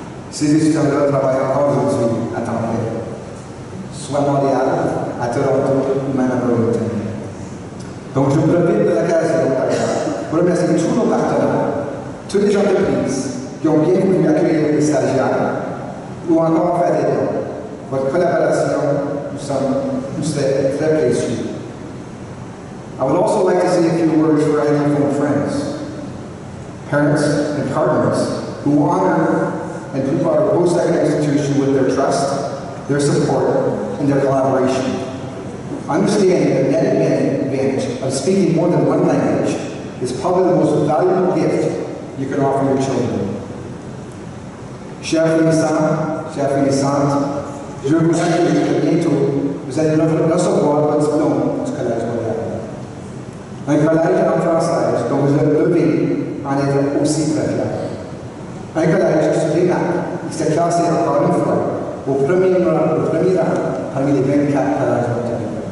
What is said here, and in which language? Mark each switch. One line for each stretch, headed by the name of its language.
French: Ces étudiants-là travaillent encore aujourd'hui à temps plein, soit à Montréal, à Toronto, même à Burlington. Donc je profite de l'occasion pour remercier tous nos partenaires, tous les entreprises qui ont bien voulu accueillir les stagiaires ou encore faire des dons. Votre collaboration nous serait très précieux.
English: I would also like to say a few words for our informal friends, parents, and partners who honor and keep our post-secondary institution with their trust, their support, and their collaboration. Understanding the net advantage of speaking more than one language is probably the most valuable gift you can offer your children.
French: Chers finissants, je vous souhaite que bientôt vous allez recevoir votre diplôme du Collège Poirier. Un collège en français dont vous avez levé en étant aussi très fier. Un collège qui se démarque et s'est classé encore une fois au premier rang parmi les 24 collèges d'Ontario.